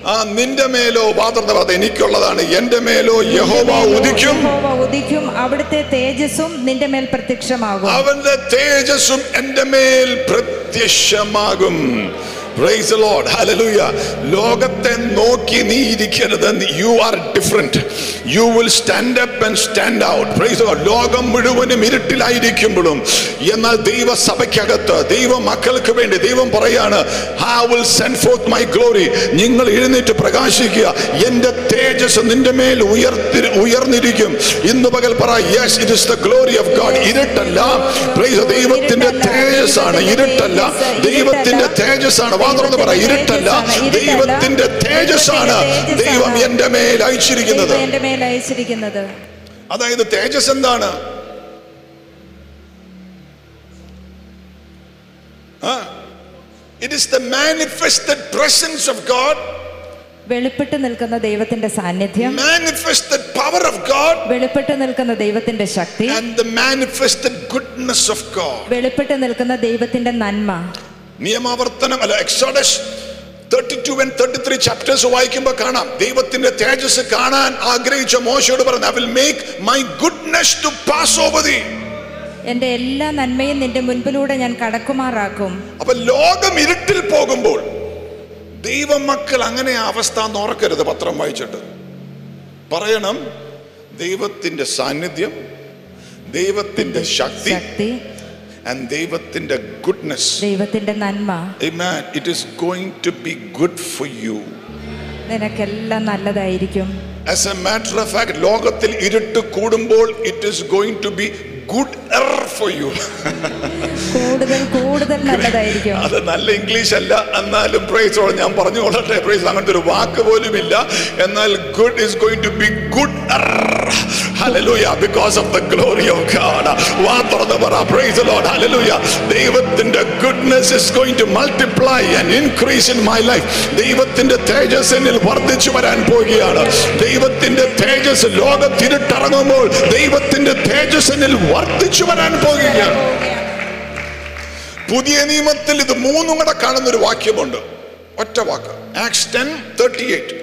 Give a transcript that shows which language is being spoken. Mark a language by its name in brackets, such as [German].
[Malayalam] ആ നിന്റെ മേലോ പാത്രത്തെ എനിക്കുള്ളതാണ് എന്റെ മേലോ യഹോവ ഉദിക്കും യഹോവ ഉദിക്കും അവിടുത്തെ തേജസ്സും നിന്റെ മേൽ പ്രത്യക്ഷമാകും അവന്റെ തേജസ്സും എന്റെ മേൽ പ്രത്യക്ഷമാകും [English] Praise the Lord. Hallelujah. [Malayalam] ലോകത്തെ നോക്കി നീ ഇരിക്കരുത്. [English] You are different. You will stand up and stand out. Praise the Lord. [Malayalam] ലോകം മുഴുവനും ഇരുട്ടിലായിരിക്കുമ്പോഴും എന്നാൽ ദൈവസഭയ്ക്കകത്ത് ദൈവമക്കൾക്ക് വേണ്ടി ദൈവം പറയാണ് [English] I will send forth my glory. [Malayalam] നിങ്ങൾ എഴുന്നേറ്റ് പ്രകാശിക്കുക. എൻ്റെ തേജസ് നിന്റെ മേൽ ഉയർന്നിരിക്കും. ഇന്ന് പകൽ പറ [English] Yes, it is the glory of God. [Malayalam] ഇരുട്ടല്ല. [English] Praise the Lord. [Malayalam] ദൈവത്തിന്റെ തേജസ്സാണ് ഇരുട്ടല്ല. ദൈവത്തിന്റെ തേജസ്സാണ് മാത്രം എന്ന് പറയാം, ഇരുട്ടല്ല, ദൈവത്തിന്റെ തേജസ്സാണ് ദൈവം എന്റെ മേൽ അയച്ചിരിക്കുന്നത്. അതായത് തേജസ് എന്താണ്? [English] It is the manifested presence of God. [Malayalam] വെളിപ്പെട്ട് നിൽക്കുന്ന ദൈവത്തിന്റെ സാന്നിധ്യം. [English] Manifested power of God. [Malayalam] വെളിപ്പെട്ട് നിൽക്കുന്ന ദൈവത്തിന്റെ ശക്തി. [English] And the manifested goodness of God. [Malayalam] വെളിപ്പെട്ട് നിൽക്കുന്ന ദൈവത്തിന്റെ നന്മ. നിയമാവർത്തനം അല്ല, Exodus 32 and 33 chapters വായിക്കുമ്പോൾ കാണാം, ദൈവത്തിന്റെ തേജസ് കാണാൻ ആഗ്രഹിച്ച മോശയോട് പറഞ്ഞു, [English] I will make my goodness to pass over thee. [Malayalam] എന്റെ എല്ലാ നന്മയും നിന്റെ മുൻപിലൂടെ ഞാൻ കടക്കുമാറാക്കും. അപ്പൊ ലോകം ഇരുട്ടിൽ പോകുമ്പോൾ ദൈവമക്കൾ അങ്ങനെ അവസ്ഥ നോർക്കരുത്. പത്രം വായിച്ചിട്ട് പറയണം, ദൈവത്തിന്റെ സാന്നിധ്യം, ദൈവത്തിന്റെ ശക്തി, and ദൈവത്തിന്റെ ഗുഡ്നെസ്, ദൈവത്തിന്റെ നന്മ. [English] Amen. It is going to be good for you. [Malayalam] നിനക്കെല്ലാം നല്ലതായിരിക്കും. [English] As a matter of fact, [Malayalam] ലോകത്തിൽ ഇരുട്ട് കൂടുമ്പോൾ [English] it is going to be good for you. [Malayalam] കൂടുതൽ നല്ലതായിരിക്കും. അത് നല്ല ഇംഗ്ലീഷ് അല്ല, എന്നാലും പ്രൈസ് ഓൾ ഞാൻ പറഞ്ഞു കൊള്ളട്ടെ. പ്രൈസ് അങ്ങനത്തെ ഒരു വാക്ക് പോലും ഇല്ല, എന്നാൽ [English] good is going to be good. Hallelujah, because of the glory of God. [Malayalam] വാത്രന്ന് പറ, [English] Praise lord, hallelujah. ദൈവത്തിന്റെ goodness is going to multiply and increase in my life. [Malayalam] ദൈവത്തിന്റെ തേജസ് എന്നിൽ വർദ്ധിച്ചു വരാൻ പോവുകയാണ്. ദൈവത്തിന്റെ തേജസ് ലോകത്തിരുട്ടിറങ്ങുമ്പോൾ ദൈവത്തിന്റെ തേജസ് എന്നിൽ വർദ്ധിച്ചു വരാൻ പോവുകയാണ്. പുതിയ നിയമത്തിൽ ഇത് മൂന്നും കൂടെ കാണുന്ന ഒരു വാക്യമുണ്ട്, ഒറ്റ വാക്ക്, Acts 10:38.